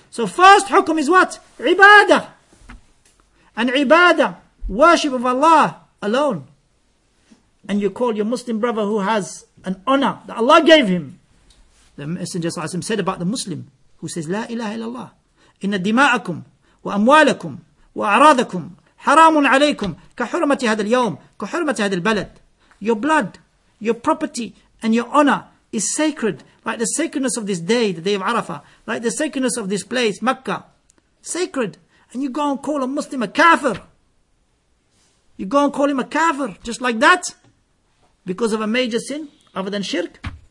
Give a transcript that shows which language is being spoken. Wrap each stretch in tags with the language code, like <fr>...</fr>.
<en>So first hukum is what? Ibadah. And ibadah, worship of Allah alone. And you call your Muslim brother who has an honor that Allah gave him. The Messenger said about the Muslim who says,</en> <ar>La ilaha illallah. Inna dima'akum wa amwalakum wa a'radakum. حرام عليكم كحرمة هذا اليوم كحرمة هذا البلد.</ar> <en>Your blood, your property, and your honor is sacred, like the sacredness of this day, the day of Arafah, like the sacredness of this place, Makkah, sacred. And you go and call a Muslim a kafir. You go and call him a kafir just like that, because of a major sin other than shirk.</en>